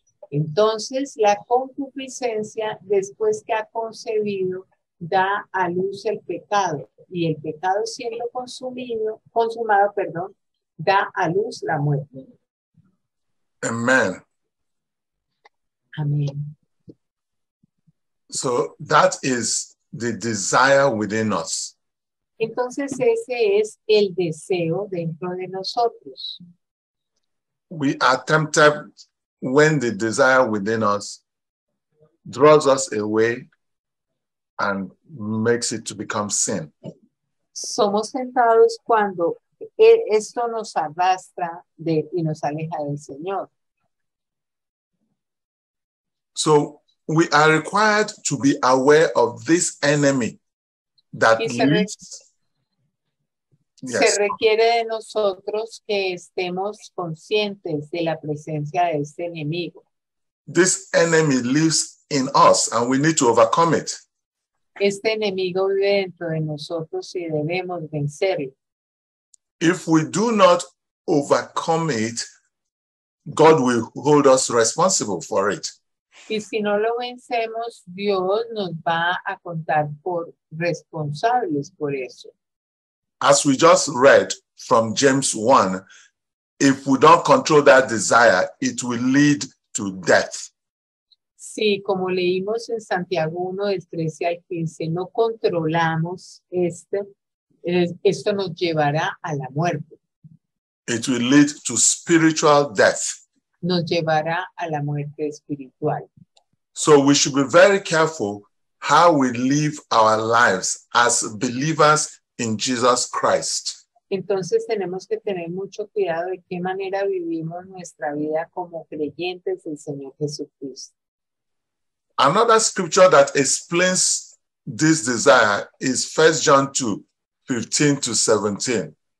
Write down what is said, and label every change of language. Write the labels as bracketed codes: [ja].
[es] Entonces, la concupiscencia, después que ha concebido, da a luz el pecado, y el pecado siendo consumado, da a luz la muerte. [en] Amen. Amen. So that is the desire within us. [es] Entonces ese es el deseo dentro de nosotros. [en] We are tempted when the desire within us draws us away and makes it to become sin. [es] Somos tentados cuando esto nos arrastra de, y nos aleja del Señor. [en] So we are required to be aware of this enemy that leads. Yes. [es] Se requiere de nosotros que estemos conscientes de la presencia de este enemigo. [en] This enemy lives in us and we need to overcome it. [es] Este enemigo vive dentro de nosotros y debemos vencerlo. [en] If we do not overcome it, God will hold us responsible for it. [es] Y si no lo vencemos, Dios nos va a contar por responsables por eso. [en] As we just read from James 1, if we don't control that desire, it will lead to death. [es] Sí, como leímos en Santiago 1, del 13 al 15, no controlamos esto nos llevará a la muerte. [en] It will lead to spiritual death. [es] Nos llevará a la muerte espiritual. [en] So we should be very careful how we live our lives as believers in Jesus Christ. [es] Entonces tenemos que tener mucho cuidado de qué manera vivimos nuestra vida como creyentes del Señor Jesucristo. [en] Another scripture that explains this desire is 1 John 2, 15 to 17.